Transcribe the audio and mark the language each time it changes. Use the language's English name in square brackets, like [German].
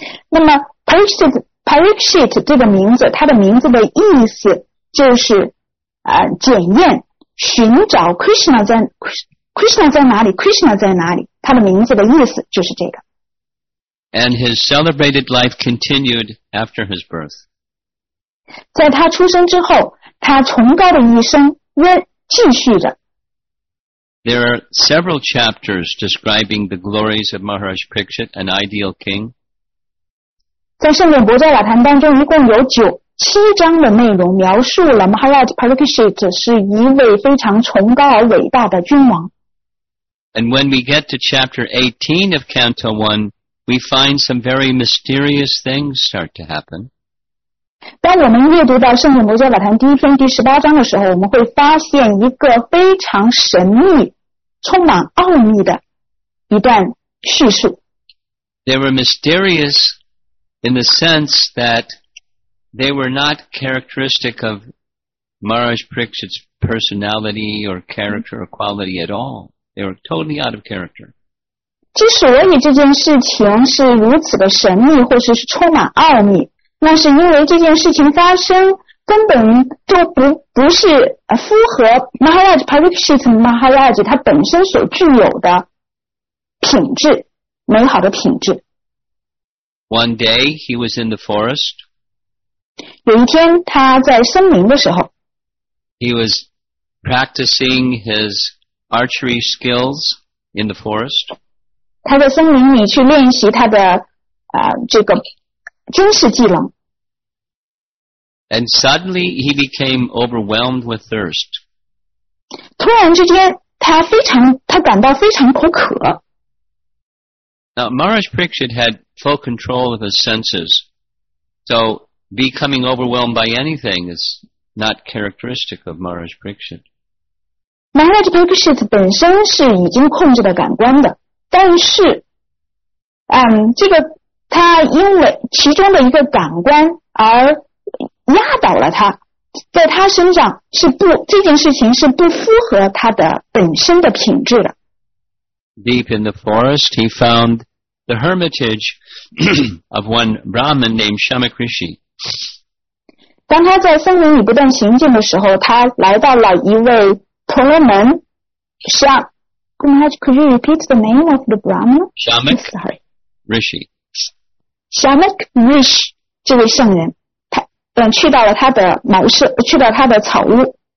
[Chinese] 那么 Parikshit 这个名字它的名字的意思就是、检验寻找 Krishna 在哪里它的名字的意思就是这个 [English] And his celebrated life continued after his birth [Chinese] 在他出生之后他崇高的一生仍继续着 [English] There are several chapters describing the glories of Maharaj Parikshit, an ideal king [Chinese] 在圣殿博加瓦坛当中一共有7章的内容描述了 Maharaj Parikshit 是一位非常崇高而伟大的君王。 [English] And when we get to chapter 18 of Canto 1, we find some very mysterious things start to happen. [Chinese] 当我们阅读到圣殿博加瓦坛第一篇第18章的时候我们会发现一个非常神秘充满奥秘的一段叙述。 [English] There were mysterious in the sense that they were not characteristic of Maharaj Parikshit's personality or character or quality at all. They were totally out of character. [Chinese] 之所以这件事情是如此的神秘或是充满奥秘那是因为这件事情发生根本就 不是符合 Maharaj Parikshit Maharaj 他本身所具有的品质美好的品质。 [English] One day, he was in the forest. [Chinese] 有一天他在森林的时候 [English] He was practicing his archery skills in the forest. [Chinese] 他在森林里去练习他的、这个军事技能 [English] And suddenly, he became overwhelmed with thirst. [Chinese] 突然之间他感到非常口渴 [English] Now, Maharaj Parikshit had full control of his senses. So becoming overwhelmed by anything is not characteristic of Maharaj Parikshit. [Chinese] Maharaj Parikshit 本身是已经控制了感官的但是、这个他因为其中的一个感官而压倒了他在他身上是不这件事情是不符合他的本身的品质的。 [English] Deep in the forest, he found the hermitage of one Brahmin named Shamakrishi. [Chinese] 当他在森林里不断行进的时候他来到了一位 [English] Solomon, could you repeat the name of the Brahmin? Shamak Rishi. [Chinese] Shamak Rishi, 这位圣人，他去到了他的茅舍，去到他的草屋。